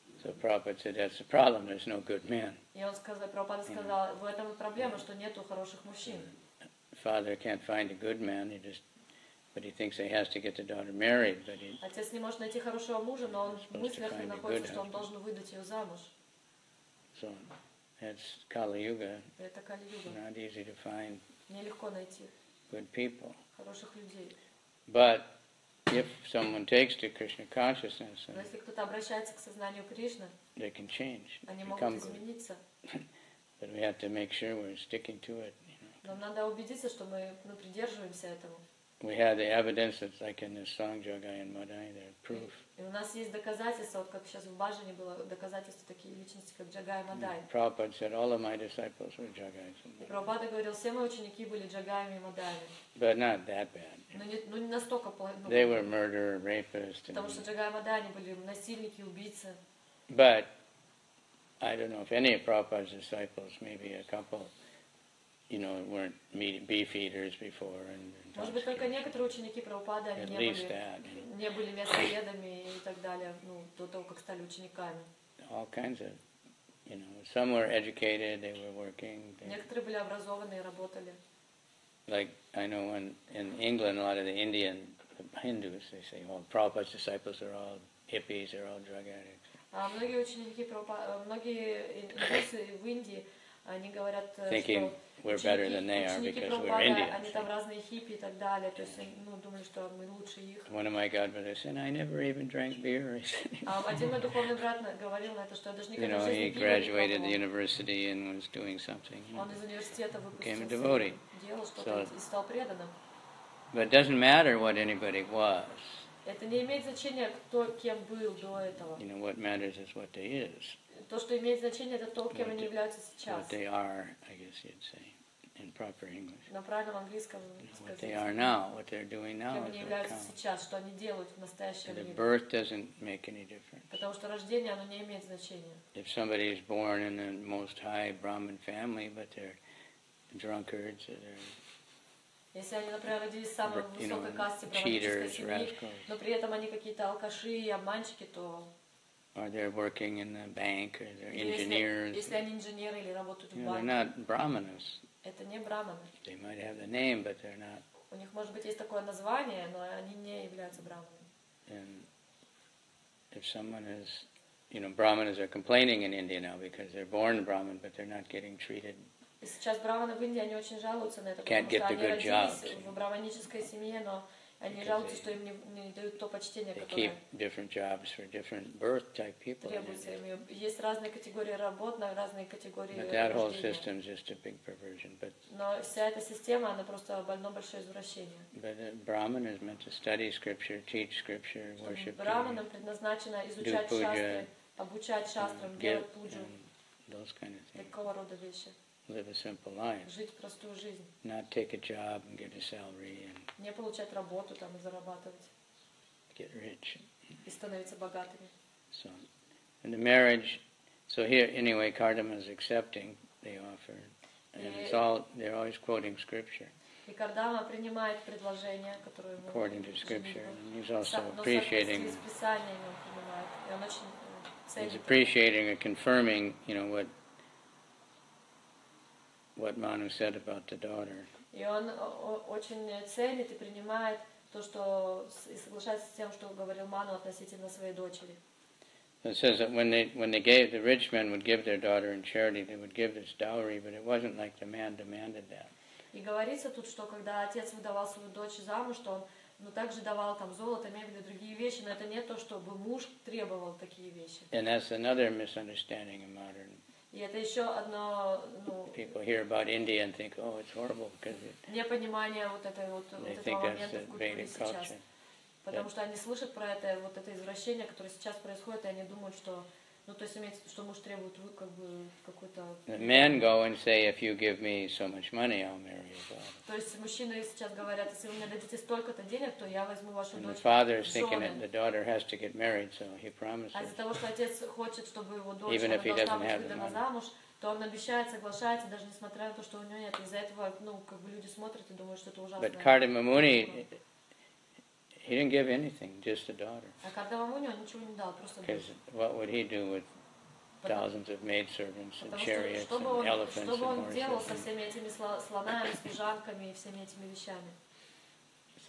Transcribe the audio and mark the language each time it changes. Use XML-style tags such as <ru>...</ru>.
<en>So Prabhupada said, that's the problem, there's no good men.</en> <ru>И он сказал, Прабхупада сказал, в этом проблема, что нету хороших мужчин.</ru> <en>Father can't find a good man, but he thinks he has to get the daughter married.</en> <ru>Отец не может найти хорошего мужа, но он в мыслях не находится, что он должен выдать ее замуж.</ru> <en>So that's Kali Yuga.</en> <ru>Это Kali Yuga.</ru> <en>Not easy to find.</en> <ru>Нелегко найти.</ru> <en>Good people.</en> <ru>Хороших людей.</ru> <en>But if someone takes to Krishna consciousness,</en> <ru>но если кто-то обращается к сознанию Кришны,</ru> <en>they can change.</en> <ru>Они могут измениться.</ru> <en>But we have to make sure we're sticking to it.</en> <ru>Нам надо убедиться, что мы придерживаемся этого.</ru> <en>We have the evidence that's like in the Sangjaga and Madai, the proof.</en> <ru>И у нас есть доказательства, вот как сейчас в Бажане было доказательства такие личности, как Джагай Мадай.</ru> <en>Prabhupada said all of my disciples were Jagais.</en> <ru>Прабхупада говорил, все мои ученики были Джагаями и Мадаями.</ru> <en>But not that bad.</en> <ru>Ну не настолько плохо.</ru> <en>They were murderers, rapists.</en> <ru>Потому что Джагай и Мадай они были насильники, убийцы.</ru> <en>But I don't know if any of Prabhupada's disciples, maybe a couple, you know, weren't beef eaters before.</en> <ru>Может быть, только некоторые ученики Прабхупады не были мясоедами и так далее, ну, до того, как стали учениками.</ru> <en>All kinds of, you know, some were educated, they were working.</en> <ru>Некоторые были образованы и работали.</ru> <en>Like, I know when in England, a lot of the Indian, the Hindus, they say, well, Prabhupada's disciples are all hippies, they're all drug addicts.</en> <ru>Многие ученики Прабхупады, многие индусы в Индии, они говорят, thinking что</ru> <en>we're better than they are because we're Indians.</en> <ru>Они там разные хиппи и так далее. То есть, ну, думали, что мы лучше их.</ru> <en>One of my godbrothers said, I never even drank beer.</en> <ru>Один мой духовный брат говорил на это, что я даже никогда не пил.</ru> <en>You know, he graduated the university and was doing something.</en> <ru>Он из университета выпустился.</ru> <en>Became a devotee.</en> <ru>Делал что-то и стал преданным.</ru> <en>But it doesn't matter what anybody was.</en> <ru>Это не имеет значения, кто кем был до этого.</ru> <en>You know, what matters is what they is.</en> <ru>То, что имеет значение, это то, кем они являются сейчас.</ru> <en>What they are, I guess you'd say, in proper English.</en> <ru>На правильном английском сказать.</ru> <en>What they are now, what they're doing now.</en> <ru>Кем они являются сейчас, что они делают в настоящее время.</ru> <en>The birth doesn't make any difference.</en> <ru>Потому что рождение, оно не имеет значения.</ru> <en>If somebody is born in the most high Brahmin family, but they're drunkards, or they're,</en> <ru>если они, например, родились в самой высокой касте правительской семьи, но при этом они какие-то алкаши и обманщики, то...</ru> <en>Or they're working in the bank, or they're engineers.</en> <ru>Если они инженеры или работают в банке.</ru> <en>They're not brahmanas.</en> <ru>Это не брахманы.</ru> <en>They might have the name, but they're not.</en> <ru>У них может быть есть такое название, но они не являются брахманами.</ru> <en>And if someone is, you know, brahmanas are complaining in India now because they're born brahman, but they're not getting treated.</en> <ru>И сейчас брахманы в Индии, они очень жалуются на это, потому что они родились в брахманической семье, но они жалуются, что им не дают то почтение, которое</ru> <en>keep different jobs for different birth type people.</en> <ru>Есть разные категории работ на разные категории рождения.</ru> <en>But that whole system is just a big perversion. But</en> <ru>но вся эта система, она просто больно большое извращение.</ru> <en>But a brahman is meant to study scripture, teach scripture, worship.</en> <ru>Брахманам предназначено изучать шастры, обучать шастрам, делать пуджу.</ru> <en>Those kind of things.</en> <ru>Такого рода вещи.</ru> <en>Live a simple life.</en> <ru>Жить простую жизнь.</ru> <en>Not take a job and get a salary and</en> <ru>не получать работу там и зарабатывать.</ru> <en>Get rich.</en> <ru>И становиться богатыми.</ru> <en>So, and the marriage. So here, anyway, Kardama is accepting the offer, and it's all. They're always quoting scripture.</en> <ru>И Кардама принимает предложение, которое ему.</ru> <en>According to scripture, and he's also appreciating.</en> <ru>Но соответствует с писанием, он понимает, и он очень ценит.</ru> <en>He's appreciating and confirming, you know what. What Manu said about the daughter.</en> <ru>И он очень ценит и принимает то, что и соглашается с тем, что говорил Ману относительно своей дочери.</ru> <en>It says that when they gave, the rich men would give their daughter in charity, they would give this dowry, but it wasn't like the man demanded that.</en> <ru>И говорится тут, что когда отец выдавал свою дочь замуж, то он, ну, также давал там золото, мебель и другие вещи, но это не то, чтобы муж требовал такие вещи.</ru> <en>And that's another misunderstanding of modern.</en> <ru>И это еще одно, ну,</ru> <en>people hear about India and think, oh, it's horrible because it.</en> <ru>Непонимание вот этой вот этого момента в культуре сейчас. Потому что они слышат про это вот это извращение, которое сейчас происходит, и они думают, что, ну, то есть имеется в виду, что муж требует вы как бы какой-то.</ru> <en>Men go and say, if you give me so much money, I'll marry your daughter.</en> <ru>То есть мужчины сейчас говорят, если вы мне дадите столько-то денег, то я возьму вашу дочь.</ru> <en>And the father is thinking that the daughter has to get married, so he promises.</en> <ru>А из-за того, что отец хочет, чтобы его дочь была выдана замуж, то он обещает, соглашается, даже несмотря на то, что у него нет. Из-за этого, ну, как бы люди смотрят и думают, что это ужасно.</ru> <en>But Kardama Muni, he didn't give anything, just the daughter. Because what would he do with thousands of maidservants and chariots and elephants and horses? It's</en>